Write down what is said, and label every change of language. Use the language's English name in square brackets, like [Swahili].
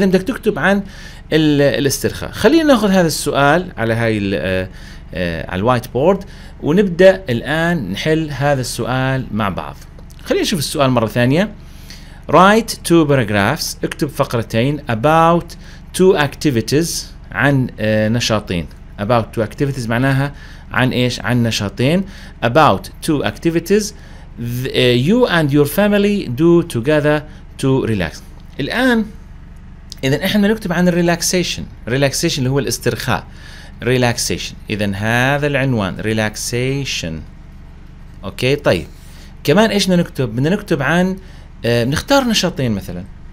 [Arabic] إذا بدك تكتب عن الاسترخاء. خلينا نأخذ هذا السؤال على هاي على الوايت بورد ونبدأ الآن نحل هذا السؤال مع بعض. خلينا نشوف السؤال مرة ثانية. [English] write two paragraphs، [Arabic] اكتب فقرتين. [English] about two activities، [Arabic] عن نشاطين. [English] about two activities [Arabic] معناها عن إيش؟ عن نشاطين. [English] about two activities you and your family do together to relax. [Arabic] الآن إذا إحنا نكتب عن relaxation. relaxation اللي هو الاسترخاء. relaxation، إذا هذا العنوان relaxation. أوكي طيب، كمان إيش نكتب؟ بدنا نكتب عن نختار نشاطين مثلا.